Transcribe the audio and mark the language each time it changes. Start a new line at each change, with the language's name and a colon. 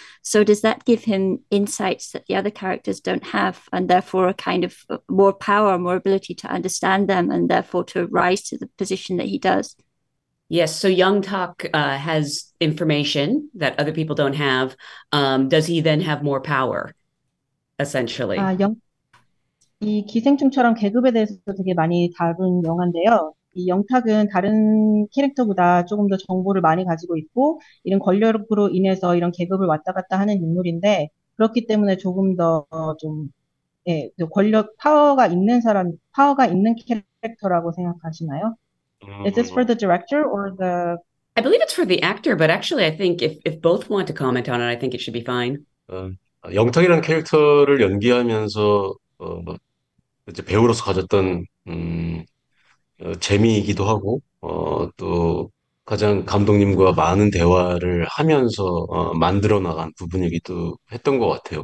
English: So does that give him insights that the other characters don't have, and therefore a kind of more power, more ability to understand them, and therefore to rise to the position that he does? Yes, so Yong Tak has information that other people don't have. Does he then have more power, essentially?
Korean: Yong 이 기생충처럼 계급에 대해서 되게 많이 다룬 영화인데요. 이 영탁은 다른 캐릭터보다 조금 더 정보를 많이 가지고 있고 이런 권력으로 인해서 이런 계급을 왔다 갔다 하는 인물인데 그렇기 때문에 조금 더 좀 예, 권력 파워가 있는 사람 파워가 있는 캐릭터라고 생각하시나요?
English: Is this for the director or the? I believe it's for the actor, but actually, I think if both want to comment on it, I think it should be fine.
Korean: 영탁이라는 캐릭터를 연기하면서 이제 배우로서 가졌던 재미이기도 하고 또 가장 감독님과 많은 대화를 하면서 만들어 나간 부분이기도 했던 것 같아요.